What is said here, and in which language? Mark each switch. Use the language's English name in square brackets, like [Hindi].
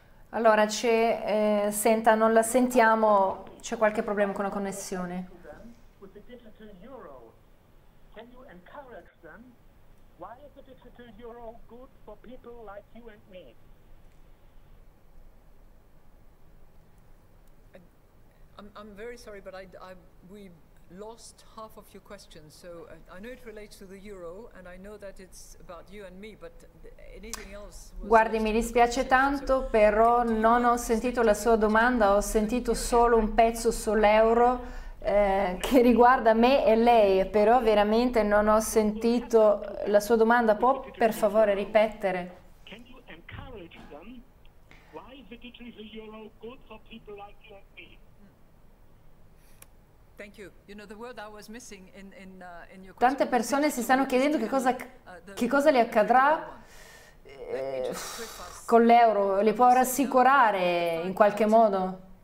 [Italian] Allora, senta, non la sentiamo, c'è qualche problema con la connessione. [English] With the digital euro, can you encourage them? Why is the digital euro good for people like you and me? I'm very sorry, but we lost half of your question, so I know it relates to the euro and I know that it's about you and me, but anything else. [Italian] Guardi, mi dispiace tanto, però non ho sentito la sua domanda, ho sentito solo un pezzo sull'euro che riguarda me e lei, però veramente non ho sentito la sua domanda. Può per favore ripetere? [English] Can you encourage them? Why is the digital euro good for people like you and me? Thank you. You know, the word I was missing in your question. [Italian] Tante persone si stanno chiedendo che cosa le accadrà con l'euro. Le può rassicurare in qualche modo?